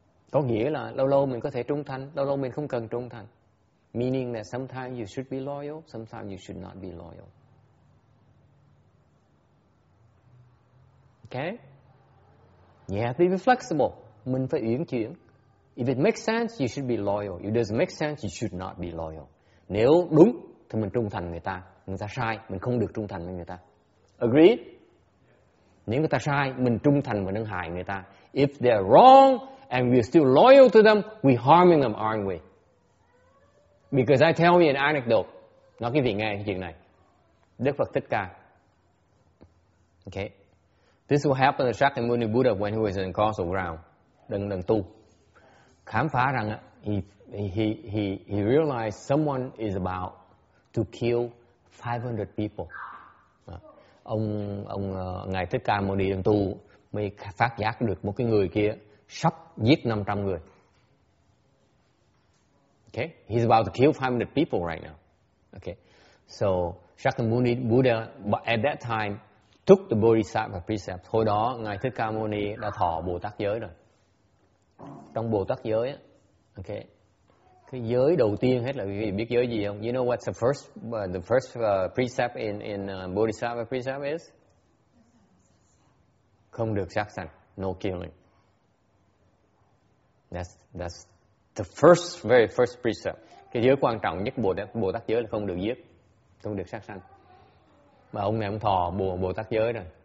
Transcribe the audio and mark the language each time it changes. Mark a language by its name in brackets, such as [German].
[Vietnamese] Có nghĩa là lâu lâu mình có thể trung thành, lâu lâu mình không cần trung thành. [English] Meaning that sometimes you should be loyal, sometimes you should not be loyal. Okay? You have to be flexible. [Vietnamese] Mình phải uyển chuyển. [English] If it makes sense, you should be loyal. If it doesn't make sense, you should not be loyal. [Vietnamese] Nếu đúng, thì mình trung thành người ta. Người ta sai, mình không được trung thành với người ta. [English] Agreed? [Vietnamese] Nếu người ta sai, mình trung thành và nâng hại người ta. [English] If they're wrong, and we're still loyal to them, we're harming them, aren't we? Because I tell you an anecdote. [Vietnamese] Nói cái vị nghe cái chuyện này. Đức Phật Thích Ca. Okay. [English] This will happen to Shakyamuni Buddha when he was in causal ground. [Vietnamese] Đừng tu. Khám phá rằng [English] he realized someone is about to kill 500 people. [Vietnamese] Ông Ngài Thích Ca Mâu Ni đừng tu mới phát giác được một cái người kia sắp giết 500 người. [English] Okay? He's about to kill 500 people right now. Okay? So, Shakyamuni Buddha, at that time, took the Bodhisattva precept. [Vietnamese] Hồi đó, Ngài Thích Ca Mâu Ni đã thọ Bồ Tát giới rồi. Trong Bồ Tát giới, okay, cái giới đầu tiên hết là biết giới gì không? [English] You know what the first precept in Bodhisattva precept is? [Vietnamese] Không được sát sanh. [English] No killing. That's the first, very first precept. [Vietnamese] Cái giới quan trọng nhất Bồ Tát giới là không được giết, không được sát sanh. Mà ông này ông thọ Bồ Tát giới rồi.